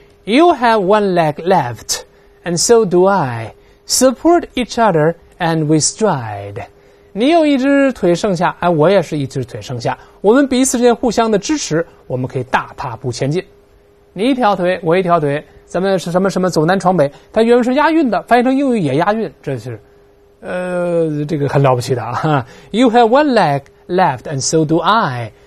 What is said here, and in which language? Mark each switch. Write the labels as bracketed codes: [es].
[en] You have one leg left, and so do I. Support each other, and we stride. [zh] 你有一只腿剩下，哎，我也是一只腿剩下。我们彼此之间互相的支持，我们可以大踏步前进。你一条腿，我一条腿，咱们是什么什么走南闯北。它原文是押韵的，翻译成英语也押韵，这是，这个很了不起的啊。 [en] You have one leg left, and so do I.